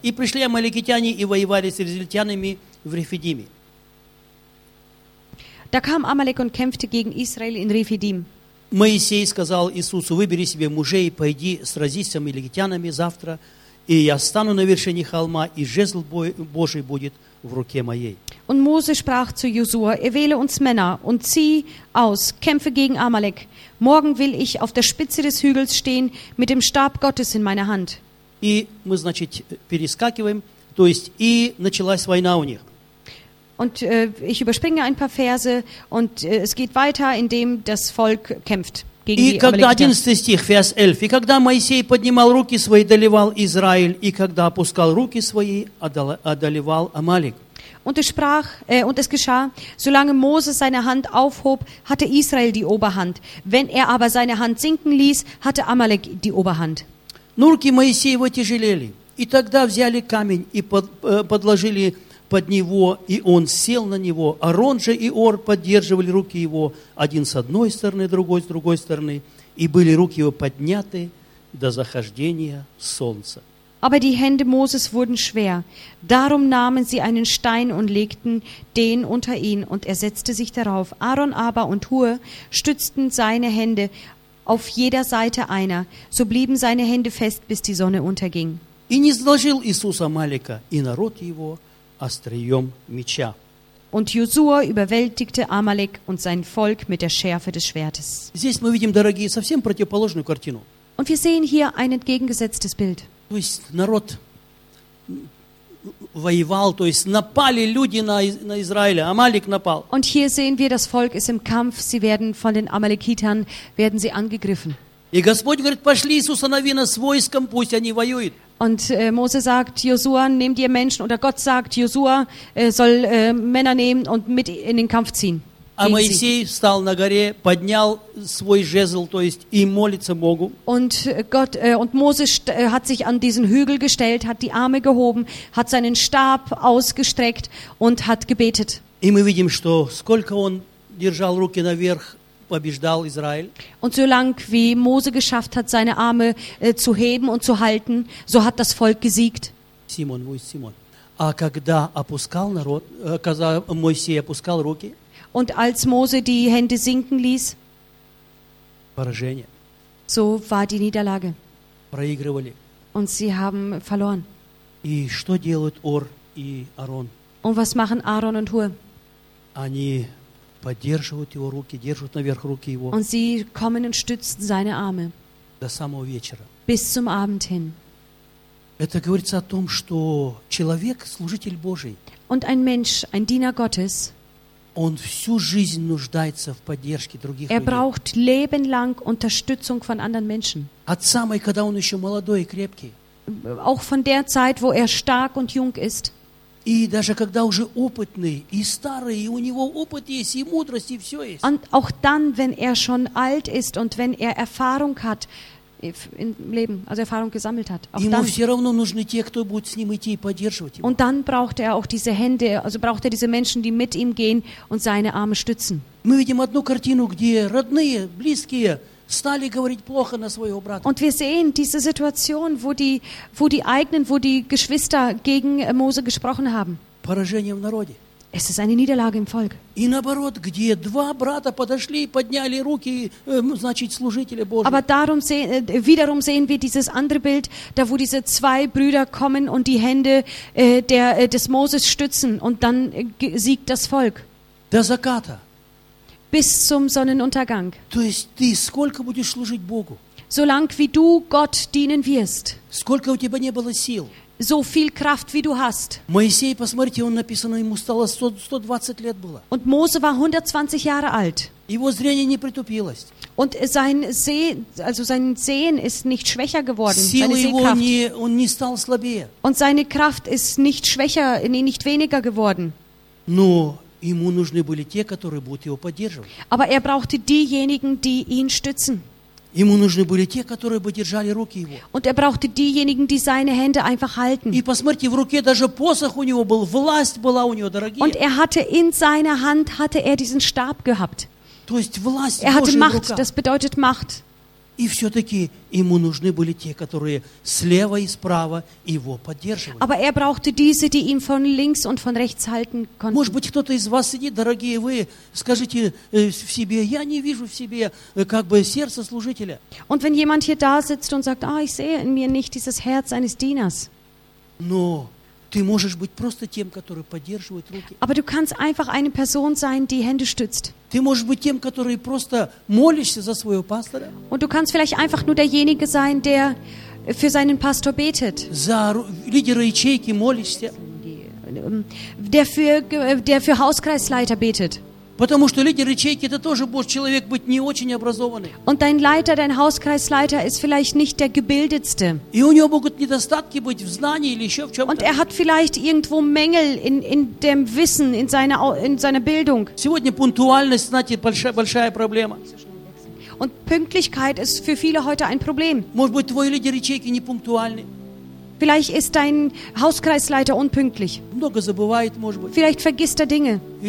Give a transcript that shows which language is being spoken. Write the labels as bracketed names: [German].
[Russian] И пришли амаликитяне и воевали с израильтянами в Рефидиме. [German] Da kam Amalek und kämpfte gegen Israel in Rephidim. [Russian] Моисей сказал Иисусу: "Выбери себе мужей и пойди сразись с амаликитянами завтра, и я стану на вершине холма, и жезл Божий будет в руке моей." [German] Und Mose sprach zu Josua: "Erwähle uns Männer und zieh aus, kämpfe gegen Amalek. Morgen will ich auf der Spitze des Hügels stehen mit dem Stab Gottes in meiner Hand." [Russian] И мы, значит, перескакиваем, то есть и началась война у них. [German] Und ich überspringe ein paar Verse und es geht weiter, indem das Volk kämpft gegen die Amalekiter. 11. Stich, Vers 11. [Russian] И когда Моисей поднимал руки свои, одолевал Израиль, и когда опускал руки свои, одолевал Амалек. [German] Und es sprach, und es geschah, solange Moses seine Hand aufhob, hatte Israel die Oberhand. Wenn er aber seine Hand sinken ließ, hatte Amalek die Oberhand. [Russian] Но руки Моисеева тяжелели. И тогда взяли камень и подложили под него, и он сел на него. Арон же и Ор поддерживали руки его, один с одной стороны, другой с другой стороны, и были руки его подняты до захождения солнца. [German] Aber die Hände Moses wurden schwer. Darum nahmen sie einen Stein und legten den unter ihn, und er setzte sich darauf. Aaron aber und Hur stützten seine Hände auf jeder Seite einer. So blieben seine Hände fest, bis die Sonne unterging. [Russian] И не сложил Иисус Амалека и народ его остриём меча. [German] Und Josua überwältigte Amalek und sein Volk mit der Schärfe des Schwertes. [Russian] Здесь мы видим, дорогие, совсем противоположную картину. [German] Und wir sehen hier ein entgegengesetztes Bild. [Russian] То есть народ воевал, то есть напали люди на Израиля, Амалек напал. [German] Und hier sehen wir, das Volk ist im Kampf, sie werden von den Amalekitern, werden sie angegriffen. [Russian] И Господь говорит: пошли Иисуса Навина с войском, пусть они воюют. [German] Und Mose sagt: Josua, nimm dir Menschen, oder Gott sagt: Josua soll Männer nehmen und mit in den Kampf ziehen. [Russian] А Моисей встал на горе, поднял свой жезл, то есть и молится Богу. [German] Und Gott und Moses hat sich an diesen Hügel gestellt, hat die Arme gehoben, hat seinen Stab ausgestreckt und hat gebetet. [Russian] И мы видим, что сколько он держал руки наверх, побеждал Израиль. [German] Und solange wie Mose geschafft hat, seine Arme zu heben und zu halten, so hat das Volk gesiegt. Симон, wo ist Simon? [Russian] А когда опускал народ, когда Моисей опускал руки, [German] und als Mose die Hände sinken ließ, [Russian] поражение. [German] So war die Niederlage. [Russian] Проигрывали. [German] Und sie haben verloren. [Russian] И что делают Ор и Арон? [German] Und was machen Aaron und Hur? [Russian] Они поддерживают его руки, держат наверх руки его. [German] Und sie kommen und stützen seine Arme. [Russian] До самого вечера. [German] Bis zum Abend hin. [Russian] Это говорится о том, что человек, служитель Божий. [German] Und ein Mensch, ein Diener Gottes. [Russian] Он всю жизнь нуждается в поддержке других людей. [German] Er braucht lebenlang Unterstützung von anderen Menschen. [Russian] От самой, когда он еще молодой и крепкий. [German] Auch von der Zeit, wo er stark und jung ist. [Russian] И даже когда уже опытный и старый, и у него опыт есть, и мудрость, и все есть. [German] Und auch dann, wenn er schon alt ist und wenn er Erfahrung hat im Leben, also Erfahrung gesammelt hat. Auch [Russian] ему все равно нужны те, кто будет с ним идти и поддерживать его. [German] Und dann braucht er auch diese Hände, also braucht er diese Menschen, die mit ihm gehen und seine Arme stützen. [Russian] Мы видим одну картину, где родные, близкие стали говорить плохо на своего брата. [German] Und wir sehen diese Situation, wo die Geschwister gegen Mose gesprochen haben. [Russian] Поражение в народе. [German] Es ist eine Niederlage im Volk. [Russian] И наоборот, где два брата подошли и подняли руки, значит, служители Божьи. [German] Aber darum wiederum sehen wir dieses andere Bild, da wo diese zwei Brüder kommen und die Hände des Moses stützen und dann siegt das Volk. [Russian] До заката. [German] Bis zum Sonnenuntergang. [Russian] То есть ты сколько будешь служить Богу? [German] Solange wie du Gott dienen wirst. [Russian] Сколько у тебя не было сил? [German] So viel Kraft, wie du hast. [Russian] Моисей, посмотрите, он написано, ему стало 120 лет было. [German] Und Mose war 120 Jahre alt. [Russian] Его зрение не притупилось. [German] Und sein Sehen ist nicht schwächer geworden. [Russian] Силы его не, он не стал слабее. [German] Und seine Kraft ist nicht schwächer, nicht weniger geworden. [Russian] Но ему нужны были те, которые будут его поддерживать. [German] Aber er brauchte diejenigen, die ihn stützen. [Russian] Ему нужны были те, которые бы держали руки его. [German] Und er brauchte diejenigen, die seine Hände einfach halten. [Russian] И посмотрите, в руке даже посох у него был, власть была у него, дорогие. [German] Und er hatte in seiner Hand hatte er diesen Stab gehabt. [Russian] То есть власть Божия в руках. [German] Er hatte Macht, das bedeutet Macht. [Russian] И все-таки ему нужны были те, которые слева и справа его поддерживали. [German] Aber er brauchte diese, die ihn von links und von rechts halten konnten. [Russian] Может быть, кто-то из вас сидит, дорогие вы, скажите в себе, я не вижу в себе как бы сердца служителя. [German] Und wenn jemand hier da sitzt und sagt, ah, ich sehe in mir nicht dieses Herz eines Dieners. [Russian] Но ты можешь быть просто тем, который поддерживает руки. [German] Aber du kannst einfach eine Person sein, die Hände stützt. [Russian] Ты можешь быть тем, который просто молишься за своего пастора. [German] Und du kannst vielleicht einfach nur derjenige sein, der für seinen Pastor betet. [Russian] За лидера ячейки молишься. [German] Der für Hauskreisleiter betet. [Russian] Потому что лидер ячейки это тоже может человек быть не очень образованный. [German] Und dein Leiter, dein Hauskreisleiter ist vielleicht nicht der gebildetste. [Russian] И у него могут недостатки быть в знании или еще в чем-то. [German] Und er hat vielleicht irgendwo Mängel in dem Wissen, in seiner Bildung. [Russian] Сегодня пунктуальность, знаете, большая проблема. [German] Und Pünktlichkeit ist für viele heute ein Problem. [Russian] Может быть, твой лидер ячейки не пунктуальный. [German] Vielleicht ist dein Hauskreisleiter unpünktlich. Vielleicht vergisst er Dinge.